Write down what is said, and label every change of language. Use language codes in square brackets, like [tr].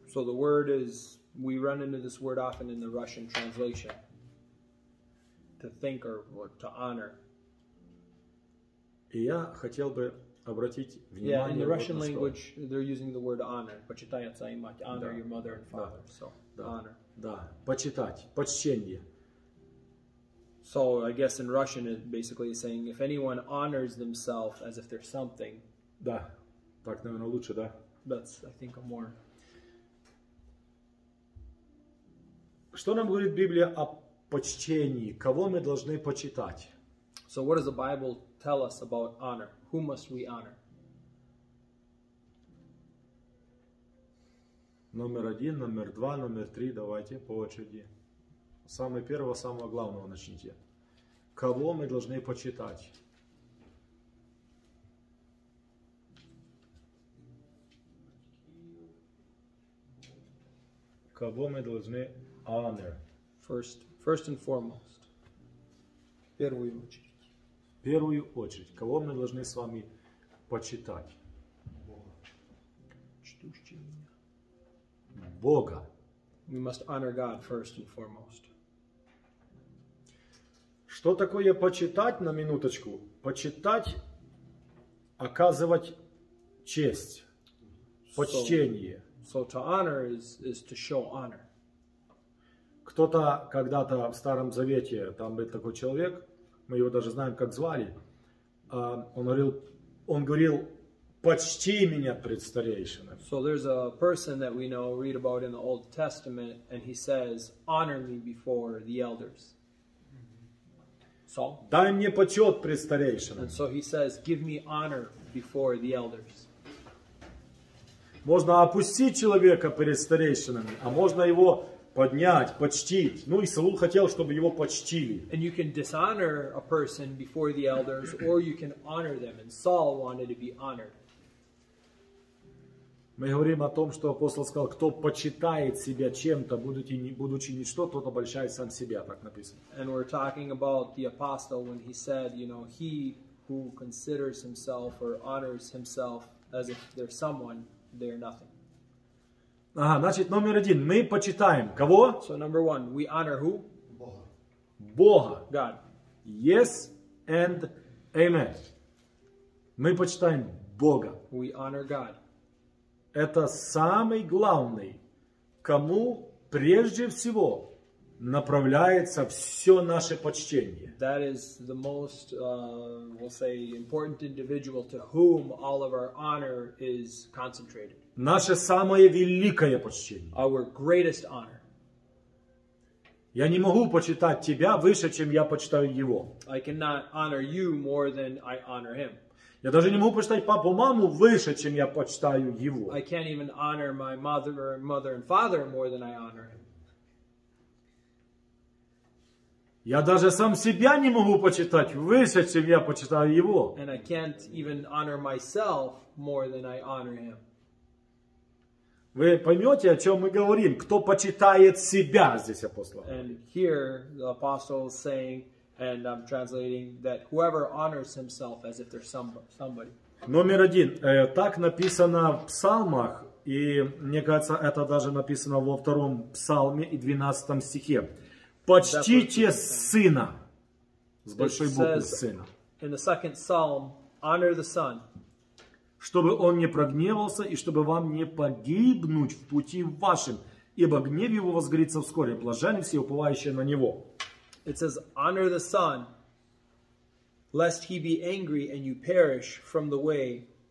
[en] So the word is, we run into this word often in the Russian translation. To think or to honor. [ru] И я хотел бы обратить внимание. [en] Yeah, in the Russian language, they're using the word honor. [ru] Почитай отца и мать. [en] Honor your mother and father. [ru] Да. [en] So, [ru] да. [en] Honor. [ru] Да. Почитать. Почтение. [en] So, I guess in Russian, it basically is saying, if anyone honors themselves as if they're something. [ru] Да. Так, наверное, лучше, да? [en] That's, I think, a more. [ru] Что нам говорит Библия о почтении? Кого мы должны почитать? [en] So, what does the Bible tell us about honor? Who must we honor? [ru] Номер один, номер два, номер три. Давайте по очереди. Самое первое, самое главное начните. Кого мы должны почитать? Кого мы должны honor? [en] First and foremost. [ru] Первую очередь. В первую очередь, кого мы должны с вами почитать? Бога. Чтущий меня. Бога. [en] We must honor God first and foremost. [ru] Что такое почитать, на минуточку? Почитать, оказывать честь, почтение. [en] So to honor is to show honor. [ru] Кто-то когда-то в Старом Завете, там был такой человек, мы его даже знаем, как звали. Он говорил, почти меня пред старейшинами. [en] So there's a person that we know, read about in the Old Testament, and he says, honor me before the elders. So? [ru] Дай мне почет пред старейшинами. [en] And so he says, give me honor before the elders. [ru] Можно опустить человека пред старейшинами, а можно его поднять, почтить. Ну и Саул хотел, чтобы его почтили. [en] And you can dishonor a person before the elders, or you can honor them. And Saul wanted to be honored. [ru] Мы говорим о том, что апостол сказал, кто почитает себя чем-то, будучи ничто, тот обольщает сам себя, так написано. [en] And we're talking about the apostle when he said, you know, he who considers himself or honors himself as if they're someone, they're nothing. [ru] Ага, значит, номер один. Мы почитаем кого? [en] So, number one, we honor who? [ru] Бога. Бога. [en] God. Yes and amen. [ru] Мы почитаем Бога. [en] We honor God. [ru] Это самый главный, кому прежде всего направляется все наше почтение. [en] That is the most, we'll say, important individual to whom all of our honor is concentrated. [ru] Наше самое великое почтение. [en] Our greatest honor. [ru] Я не могу почитать тебя выше, чем я почитаю его. [en] I cannot honor you more than I honor him. [ru] Я даже не могу почитать папу, маму выше, чем я почитаю его. [en] I can't even honor my mother and father more than I honor him. [ru] Я даже сам себя не могу почитать выше, чем я почитаю его. [en] And I can't even honor myself more than I honor him. [ru] Вы поймете, о чем мы говорим? Кто почитает себя, здесь апостол. [en] And here the apostle is saying, and I'm translating, that whoever honors himself as if they're somebody. [ru] Номер один. Так написано в Псалмах И мне кажется, это даже написано во втором псалме и 12 стихе. Почтите сына. С большой буквы сына. [en] In the second psalm, honor the son. [ru] Чтобы он не прогневался и чтобы вам не погибнуть в пути вашем. Ибо гнев его возгорится вскоре. Блажены все, уповающие на него. [en] It says, honor the son, lest he be angry and you perish from the way.